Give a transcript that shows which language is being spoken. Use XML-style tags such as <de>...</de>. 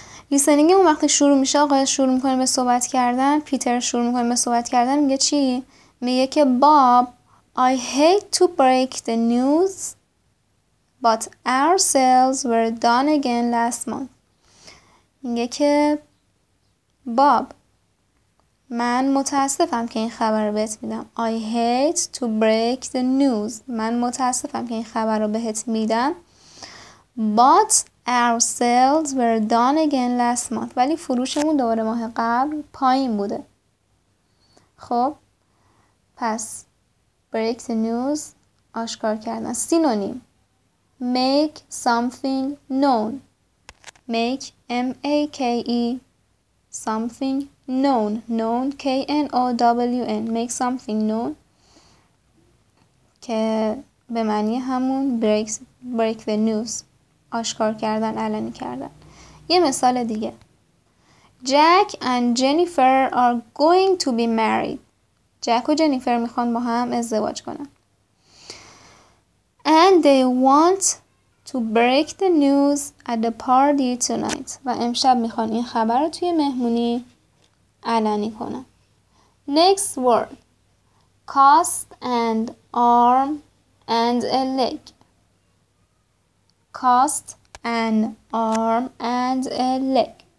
<fa>لیسنینگ اون وقتی شروع میشه، آقای شروع میکنه به صحبت کردن، پیتر شروع میکنه به صحبت کردن، میگه چی؟ میگه که باب،</fa> <en>I hate to break the news but our sales were done again last month.</en> <fa>میگه که باب، من متاسفم که این خبر رو بهت میدم.</fa> <en>I hate to break the news.</en> <fa>من متاسفم که این خبر رو بهت میدم.</fa> <en>But our sales were done again last month.</en> <fa>ولی فروشمون دوباره ماه قبل پایین بوده. خب پس</fa> <en>break the news،</en> <fa>آشکار کردن.</fa> <en>Synonym, make something known. make M-A-K-E something known. known K-N-O-W-N. make something known</en> <fa>که به معنی همون</fa> <en>break the news.</en> <fa>آشکار کردن، علنی کردن. یه مثال دیگه.</fa> <en>Jack and Jennifer are going to be married.</en> <fa>Jack و جنیفر میخوان با هم ازدواج کنن.</fa> <en>And they want to break the news at the party tonight.</en> <fa>و امشب میخوان این خبر رو توی مهمونی علنی کنن.</fa> <en>Next word. Cast and arm and a leg. Cast an arm and a leg.</en>